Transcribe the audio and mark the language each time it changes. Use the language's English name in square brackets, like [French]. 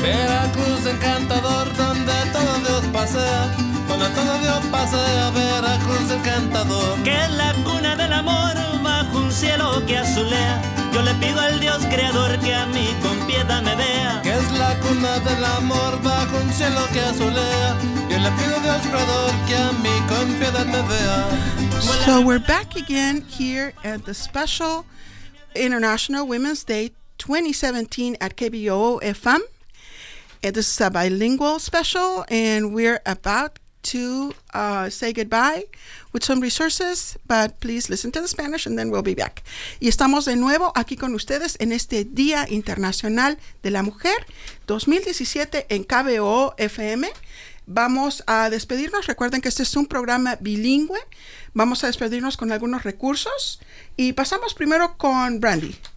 [Spanish] Veracruz encantador, donde todo Dios pasea, donde todo Dios pasea, Veracruz encantador. Que es la cuna del amor bajo un cielo que azulea, yo le pido al Dios creador que a mí con piedad me vea. Que es la cuna del amor bajo un cielo que azulea, yo le pido al Dios creador que a mí con piedad me vea. [English] So we're back again here at the special International Women's Day 2017 at KBOO FM. This is a bilingual special, and we're about to say goodbye with some resources, but please listen to the Spanish and then we'll be back. [Spanish] Y estamos de nuevo aquí con ustedes en este Día Internacional de la Mujer 2017 en KBOO FM. Vamos a despedirnos. Recuerden que este es un programa bilingüe. Vamos a despedirnos con algunos recursos y pasamos primero con Brandy.